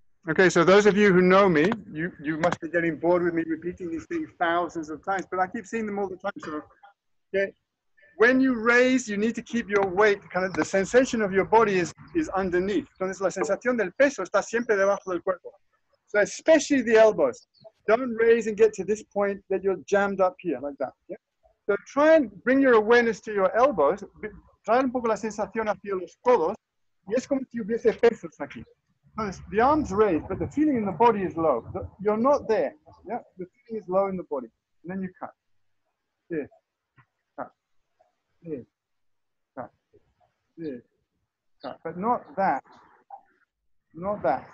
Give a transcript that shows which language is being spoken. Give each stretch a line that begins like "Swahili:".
English: Okay, so those of you who know me, you must be getting bored with me repeating these things thousands of times, but I keep seeing them all the time. So, okay. When you raise, you need to keep your weight, kind of the sensation of your body is underneath.
Spanish: Entonces, la sensación del peso está siempre debajo del cuerpo.
English: So especially the elbows. Don't raise and get to this point that you're jammed up here, like that. Yeah? So try and bring your awareness to your elbows.
Spanish: Trae un poco la sensación hacia los codos. Y es como si hubiese pesos aquí.
English: Entonces, the arms raised, but the feeling in the body is low. You're not there. Yeah, the feeling is low in the body. And then you cut. Yeah. Yeah. But not that. Not that.